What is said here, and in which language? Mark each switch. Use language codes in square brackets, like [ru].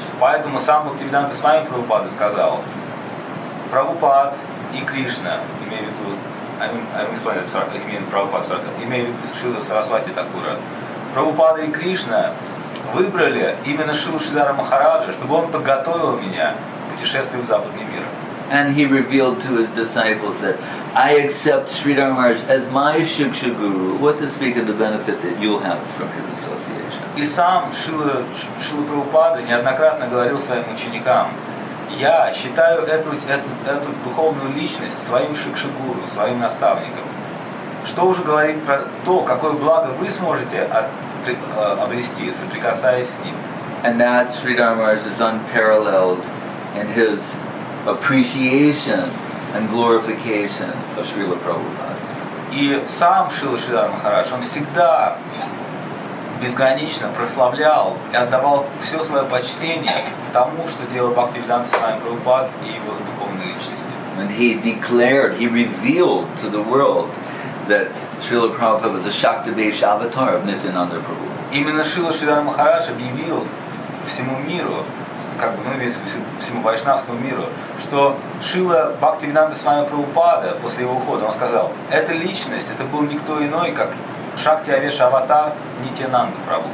[ru] Поэтому сам Бхактивиданта Свами Прабхупада сказал, Прабхупада и Кришна, имею в виду Прабхупада Сарасвати Такура, Прабхупада и Кришна выбрали именно Шрилу Шридхара Махараджа, чтобы он подготовил меня к путешествию в западный мир. [en] And he revealed to his disciples that I accept Sridhar Maharaj as my Shiksha Guru. What to speak of the benefit that you'll have from his association. [ru] И сам Шрила Прабхупада неоднократно говорил своим ученикам, я считаю эту духовную личность своим Шикша Гуру, своим наставником. Что уже говорит про то, какое благо вы сможете обрести, соприкасаясь с ним. [en] And that Sridhar Maharaj is unparalleled in his appreciation and glorification of Srila Prabhupada. [ru] И сам Шрила Шридхара Махарадж, он всегда безгранично прославлял и отдавал все свое почтение тому, что делал Бхактивиданта Свами Прабхупад и его духовной личности. [en] And he declared, he revealed to the world that Srila Prabhupada was a Shaktivesh avatar of Nityananda Prabhu. [ru] Именно Шрила Шридхара Махарадж объявил всему миру, как бы, ну, всему вайшнавскому миру, что Шрила Бхактивиданта Свами Прабхупада после его ухода, он сказал, эта личность, это был никто иной, как Шакти Авеш Аватар Нитьянанда Прабху.